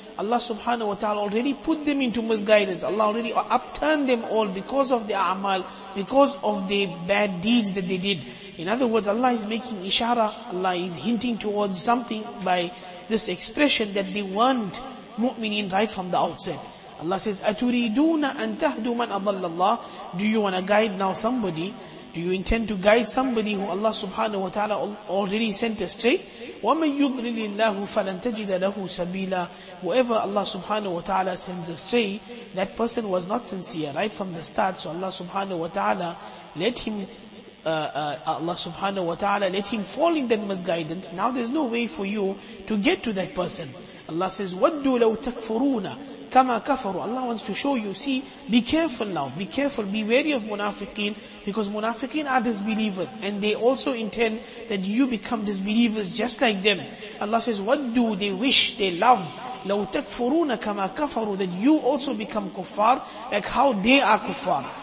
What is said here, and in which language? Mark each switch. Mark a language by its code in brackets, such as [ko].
[en] Allah subhanahu wa ta'ala already put them into misguidance. Allah already upturned them all because of their amal, because of the bad deeds that they did. In other words, Allah is making ishara, Allah is hinting towards something by this expression that they weren't mu'minin right from the outset. Allah says, [ar] أَتُرِيدُونَ أَن تَهْدُوا مَنْ أَضَلَّ اللَّهِ. [en] Do you want to guide now somebody? Do you intend to guide somebody who Allah subhanahu wa ta'ala already sent astray? [ar] وَمَنْ يُضْلِلِ اللَّهُ فَلَنْ تَجِدَ لَهُ سَبِيلًا. [en] Whoever Allah subhanahu wa ta'ala sends astray, that person was not sincere right from the start. So Allah subhanahu wa ta'ala let him, Allah subhanahu wa ta'ala let him fall in that misguidance. Now there's no way for you to get to that person. Allah says, [ar] وَدُّوا لَوْ تَكْفُرُونَ كَمَا كَفَرُوا. [en] Allah wants to show you, see, be careful now, be careful, be wary of munafiqeen, because munafiqeen are disbelievers, and they also intend that you become disbelievers just like them. Allah says, what do they wish, they love, [ar] لَوْ تَكْفُرُونَ كَمَا كَفَرُوا, [en] that you also become kuffar, like how they are kuffar.